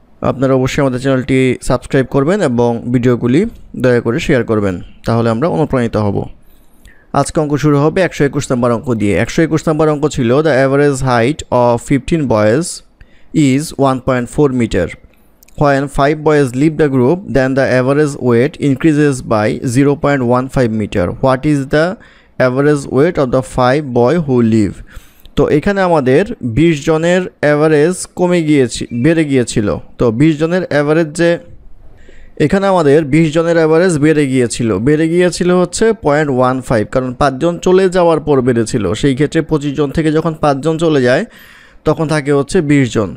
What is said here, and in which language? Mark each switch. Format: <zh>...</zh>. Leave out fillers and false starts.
<bn>আপনারা অবশ্যই আমাদের চ্যানেলটি সাবস্ক্রাইব করবেন এবং ভিডিওগুলি দয়া করে শেয়ার করবেন, তাহলে আমরা অনুপ্রাণিত হব। আজকে অঙ্ক শুরু হবে 121 নম্বর অঙ্ক দিয়ে। 121 নম্বর অঙ্ক ছিল</bn> <en>The average height of 15 boys is 1.4 metre. When five boys leave the group, then the average weight increases by 0.15 meter. What is the average weight of the five boys who leave?</en> <bn>তো এখানে আমাদের 20 জনের average কমে গিয়েছে, বেড়ে গিয়েছিল। তো 20 জনের অ্যাভারেজ যে এখানে আমাদের 20 জনের অ্যাভারেজ বেড়ে গিয়েছিল হচ্ছে 0.15, কারণ পাঁচজন চলে যাওয়ার পর বেড়েছিল। সেই ক্ষেত্রে 25 জন থেকে যখন পাঁচজন চলে যায় তখন থাকে হচ্ছে 20 জন।</bn>